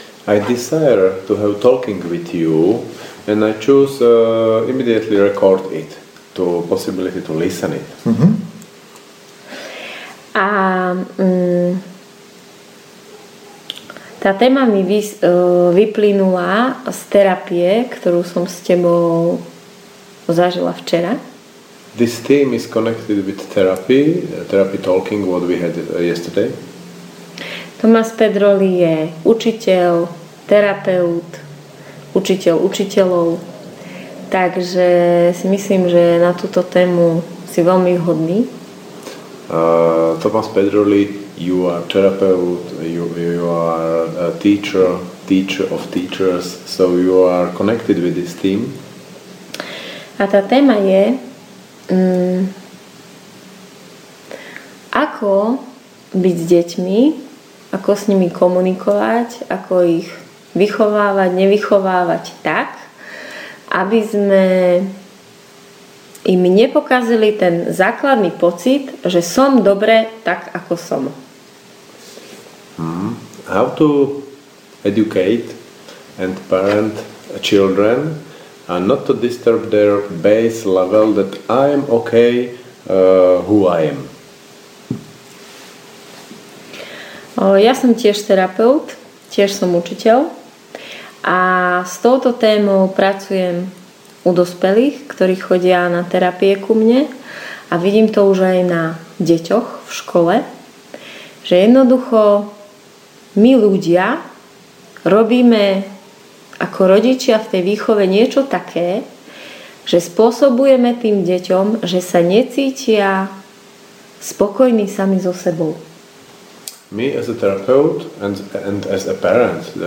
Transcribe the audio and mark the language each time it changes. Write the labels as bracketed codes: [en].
[en] I desire to have talking with you and I choose immediately record it to possibility to listen it. Mm-hmm. [sk] A tá téma mi vyplynula z terapie, ktorú som s tebou zažila včera. [en] This theme is connected with therapy, therapy talking, what we had yesterday. [sk] Tomás Pedroli je učiteľ, terapeut, učiteľ učiteľov, takže si myslím, že na túto tému si veľmi hodný. [en] Tomás Pedroli, you are therapeut, you are a teacher, teacher of teachers, so you are connected with this theme. [sk] A tá téma je ako byť s deťmi, ako s nimi komunikovať, ako ich vychovávať, nevychovávať tak, aby sme im nepokazili ten základný pocit, že som dobre tak, ako som. [en] How to educate and parent children and not to disturb their base level that I am okay who I am. [sk] Ja som tiež terapeut, tiež som učiteľ a s touto témou pracujem u dospelých, ktorí chodia na terapie ku mne a vidím to už aj na deťoch v škole, že jednoducho my ľudia robíme ako rodičia v tej výchove niečo také, že spôsobujeme tým deťom, že sa necítia spokojní sami so sebou. [en] Me as a therapeut and as a parent